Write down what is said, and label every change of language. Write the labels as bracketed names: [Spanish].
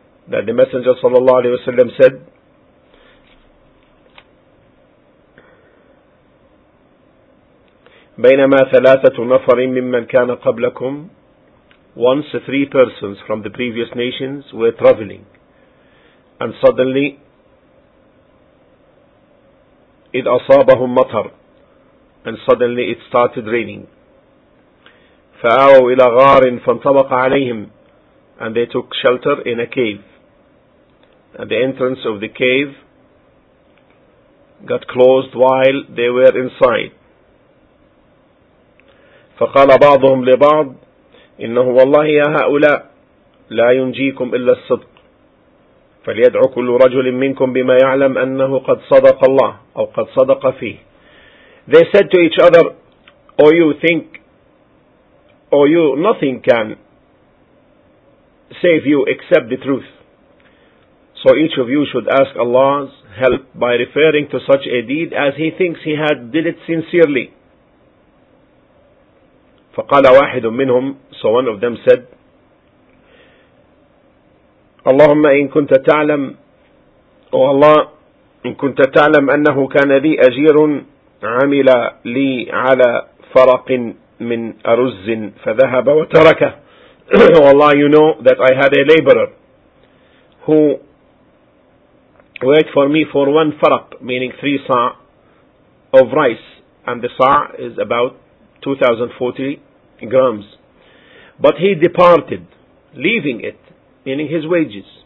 [English] That the Messenger sallallahu alayhi wa sallam said, [Arabic] بينما ثلاثة نفر ممن كان قبلكم. [English] Once three persons from the previous nations were traveling. And suddenly, [Arabic] إذ أصابهم مطر. [English] And suddenly it started raining. [Arabic] فآووا إلى غار فانطبق عليهم. [English] And they took shelter in a cave. And the entrance of the cave got closed while they were inside. [Arabic] فقال بعضهم لبعض إنه والله يا هؤلاء لا ينجيكم إلا الصدق فليدعو كل رجل منكم بما يعلم أنه قد صدق الله أو قد صدق فيه. [English] They said to each other, or you think, or you, nothing can save you except the truth. So each of you should ask Allah's help by referring to such a deed as he thinks he had did it sincerely. [Arabic] فقال واحد منهم, [English] so one of them said, [Arabic] اللهم إن كنت تعلم, أو الله, إن كنت تعلم أنه كان لي أجير عمل لي على فرق من أرز فذهب وتركه. [English] والله, you know that I had a laborer who wait for me for one farak, meaning 3 sa' of rice, and the sa' is about 2040 grams. But he departed, leaving it, meaning his wages.